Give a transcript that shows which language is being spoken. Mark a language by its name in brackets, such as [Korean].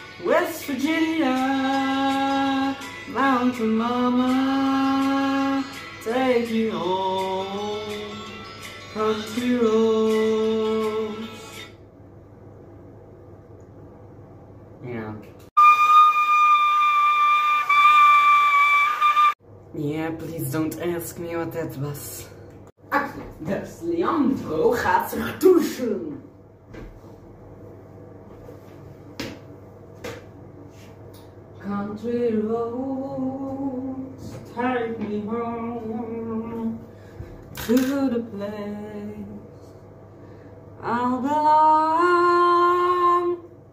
[English] West Virginia, mountain mama, take me home. Country roads. Yeah. Yeah, please don't ask me what that was. [Dutch] Ach, dus Leandro gaat zich douchen. [English] Country roads, take me home to the place I belong.